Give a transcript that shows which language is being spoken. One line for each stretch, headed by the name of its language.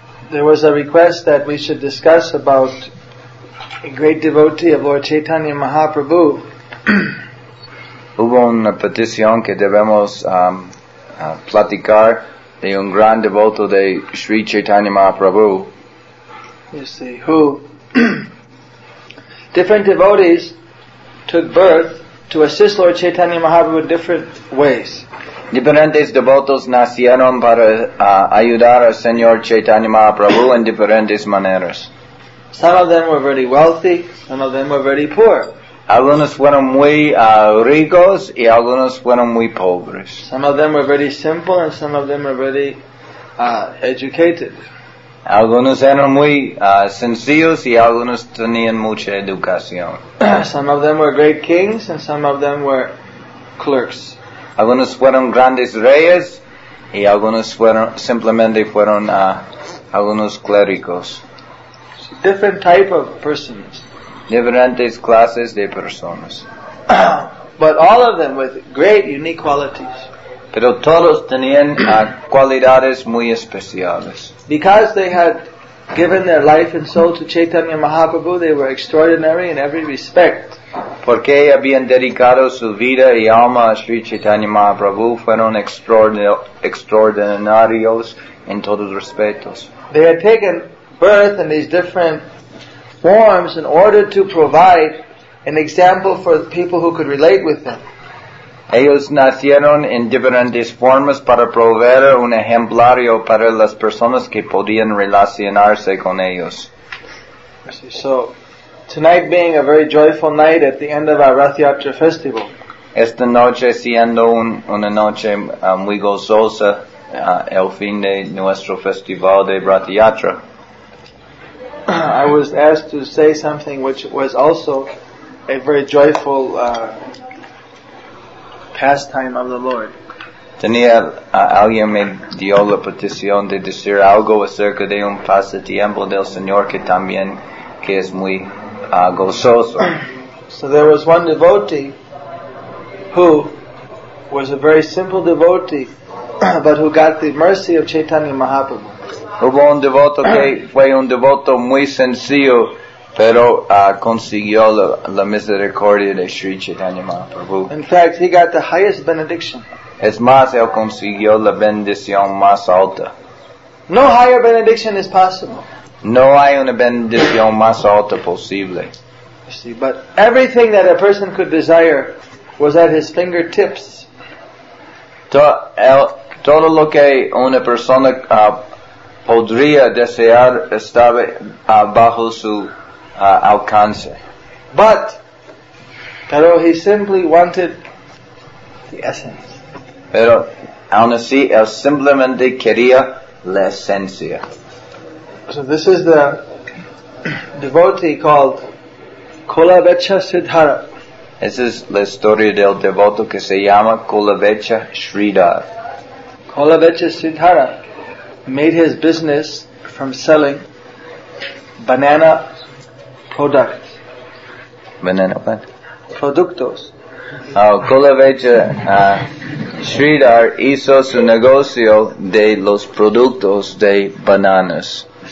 English: There was a request that we should discuss about a great devotee of Lord Chaitanya Mahaprabhu.
Spanish: Hubo una petición que debemos platicar de un gran devoto de Sri Chaitanya Mahaprabhu.
English: You see, who different devotees took birth to assist Lord Chaitanya Mahaprabhu in different ways.
Spanish: Diferentes devotos nacieron para ayudar al Señor Chaitanya Mahaprabhu en diferentes maneras.
English: Some of them were very wealthy, some of them were very poor.
Spanish: Algunos fueron muy ricos y algunos fueron muy pobres.
English: Some of them were very simple and some of them were very educated.
Spanish: Algunos eran muy sencillos y algunos tenían mucha educación.
English: Some of them were great kings and some of them were clerks.
Spanish: Algunos fueron grandes reyes y algunos fueron simplemente fueron algunos clérigos.
English: Different type of persons.
Spanish: Diferentes clases de personas.
English: But all of them with great unique qualities.
Spanish: Pero todos tenían cualidades muy especiales.
English: Because they had given their life and soul to Chaitanya Mahaprabhu, they were extraordinary in every respect.
Spanish: Porque habían dedicado su vida y alma a Sri Chaitanya Mahaprabhu, fueron extraordinarios en todos respetos.
English: They had taken birth in these different forms in order to provide an example for people who could relate with them.
Spanish: Ellos nacieron en diferentes formas para proveer un ejemplario para las personas que podían relacionarse con ellos.
English: So, tonight being a very joyful night at the end of our Rath Yatra festival.
Spanish: Esta noche siendo una noche muy gozosa, el fin de nuestro festival de Rath Yatra.
English: I was asked to say something which was also a very joyful pastime of the Lord.
Spanish: Tenía alguien me dio la petición de decir algo acerca de un pasatiempo del Señor que también que es muy gozoso.
English: So there was one devotee who was a very simple devotee but who got the mercy of Chaitanya Mahaprabhu.
Spanish: Hubo un devoto que fue un devoto muy sencillo, pero consiguió la misericordia de Sri Chaitanya Mahaprabhu.
English: In fact, he got the highest benediction.
Spanish: Es más, él consiguió la bendición más alta.
English: No higher benediction is possible.
Spanish: No hay una bendición más alta posible.
English: You see, but everything that a person could desire was at his fingertips.
Spanish: To, él, todo lo que una persona podría desear estaba bajo su alcance.
English: But,
Spanish: pero
English: he simply wanted the essence.
Spanish: Pero aún así, él simplemente quería la esencia.
English: So this is the devotee called Kulavecha Siddhara. This is
Spanish: la historia del devoto que se llama Kulavecha Sridhar. Kulavecha Siddhara made his business from selling banana products.
English: Banana what?
Spanish: Productos. Oh, Kulavecha Sridhar hizo su negocio de los productos de bananas.